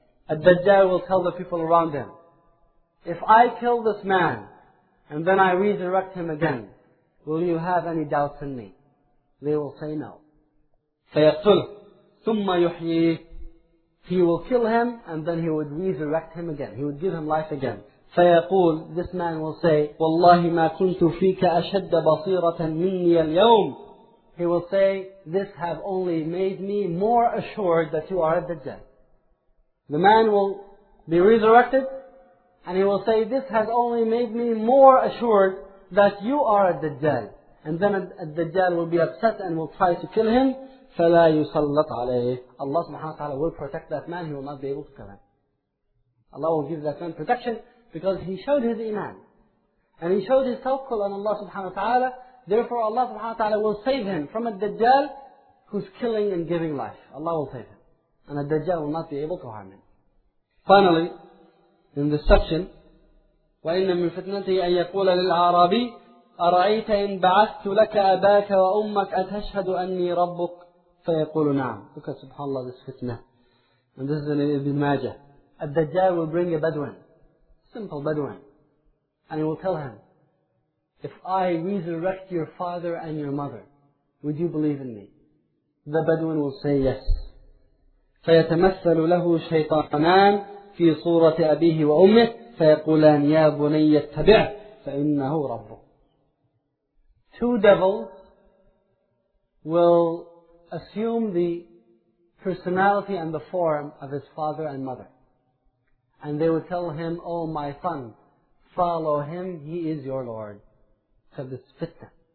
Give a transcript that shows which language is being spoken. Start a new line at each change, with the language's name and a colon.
English: A Dajjal will tell the people around him, if I kill this man and then I resurrect him again, will you have any doubts in me? They will say no.
Arabic: فَيَقْتُلْ ثُمَّ يُحْيِيهِ.
English: He will kill him and then he would resurrect him again. He would give him life again.
Arabic: فَيَقُولْ.
English: This man will say,
Arabic: وَاللَّهِ مَا كُنْتُ فِيكَ أَشَدَّ بَصِيرَةً مِنِّي الْيَوْمِ.
English: He will say, this have only made me more assured that you are a Dajjal. The man will be resurrected. And he will say, this has only made me more assured that you are a Dajjal. And then a Dajjal will be upset and will try to kill him.
Arabic: فَلَا يُسَلَّطْ عَلَيْهِ.
English: Allah subhanahu wa ta'ala will protect that man, he will not be able to kill him. Allah will give that man protection because he showed his iman. And he showed his tawakkul on Allah subhanahu wa ta'ala. Therefore Allah subhanahu wa ta'ala will save him from a Dajjal who's killing and giving life. Allah will save him. And a Dajjal will not be able to harm him. Finally, in this section,
Arabic: وَإِنَّ مِنْ فِتْنَتِهِ أَنْ يَقُولَ لِلْعَرَابِي أَرَأَيْتَ إِنْ بَعَثْتُ لَكَ أَبَاكَ وَأُمَّكَ أَتَشْهَدُ أَنِّي رَبُّكَ فَيَقُولُ نَعَمْ.
English: Look at subhanAllah this fitna. And this is in Ibn Majah. A Dajjal will bring a Bedouin, simple Bedouin, and he will tell him, if I resurrect your father and your mother, would you believe in me? The Bedouin will say yes.
Arabic: فَيَتَمَثَّلُ لَهُ شَيْطَانًا في صورة أبيه وأمه فيقولان يا بني اتبع فإنه ربه.
English: two devils will assume the personality and the form of his father and mother. And they would tell him, "Oh, my son, follow him, he is your Lord." So this fitna.